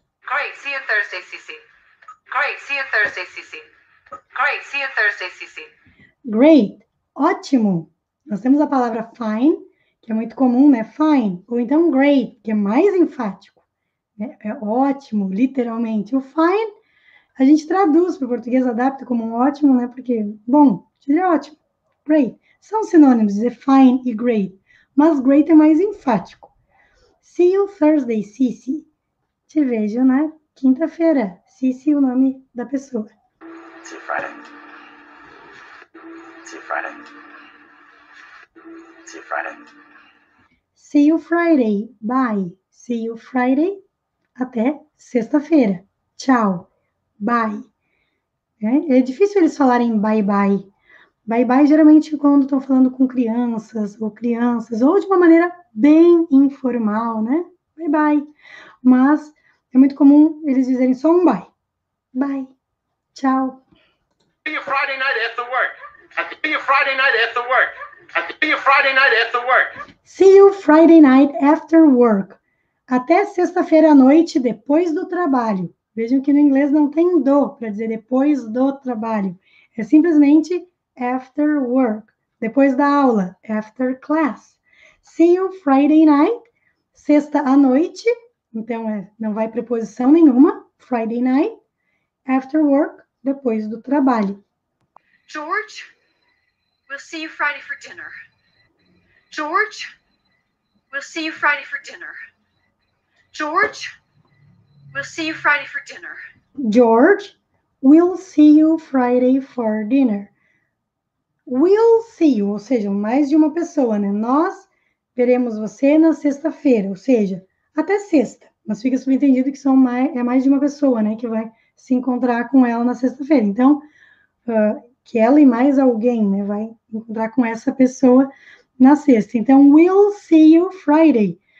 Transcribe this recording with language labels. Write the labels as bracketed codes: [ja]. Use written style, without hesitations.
[en] Great, see you Thursday, CC. Great, see you Thursday, CC. Great, see you Thursday, CC. [pt] Great, ótimo. Nós temos a palavra fine, que é muito comum, né? Fine. Ou então great, que é mais enfático. Né? É ótimo, literalmente. O fine, a gente traduz para o português, adapta como um ótimo, né? Porque, bom, seria ótimo. Great. São sinônimos de fine e great. Mas great é mais enfático. [en] See you Thursday, Cici. [pt] Te vejo na quinta-feira. Cici, o nome da pessoa. [en] See you Friday. See you Friday. See you Friday. See you Friday. Bye. See you Friday. [pt] Até sexta-feira. Tchau. [en] Bye. [pt] É difícil eles falarem bye-bye. Bye-bye geralmente quando estão falando com crianças, ou de uma maneira bem informal, né? Bye-bye. Mas é muito comum eles dizerem só um bye. [en] Bye. Tchau. See you Friday night after work. See you Friday night after work. See you Friday night after work. See you Friday night after work. [pt] Até sexta-feira à noite, depois do trabalho. Vejam que no inglês não tem do para dizer depois do trabalho. É simplesmente... [en] After work, [pt] depois da aula, [en] after class. See you Friday night, [pt] sexta à noite. Então, não vai preposição nenhuma, Friday night. [en] After work, [pt] depois do trabalho. [en] George, we'll see you Friday for dinner. George, we'll see you Friday for dinner. George, we'll see you Friday for dinner. George, we'll see you Friday for dinner. We'll see you, [pt] ou seja, mais de uma pessoa, né? Nós veremos você na sexta-feira, ou seja, até sexta. Mas fica subentendido que é mais de uma pessoa, né? Que vai se encontrar com ela na sexta-feira. Então, que ela e mais alguém, né? Vai encontrar com essa pessoa na sexta. [en] Então, we'll see you Friday.